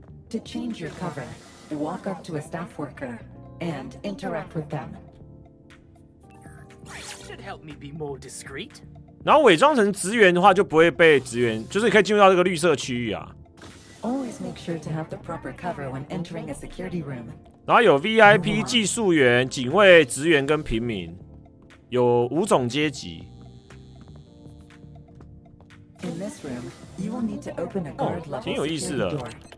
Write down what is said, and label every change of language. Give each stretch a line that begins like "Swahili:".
English: To change your cover, walk up to a staff worker and interact with them. Should help me be more discreet.
Chinese: 然后伪装成职员的话，就不会被职员，就是可以进入到这个绿色区域啊。
English: Always make sure to have the proper cover when entering a security room.
Chinese: 然后有 VIP 技术员、警卫、职员跟平民。有五种阶级。
English: In this room, you will need to open a guard level security door.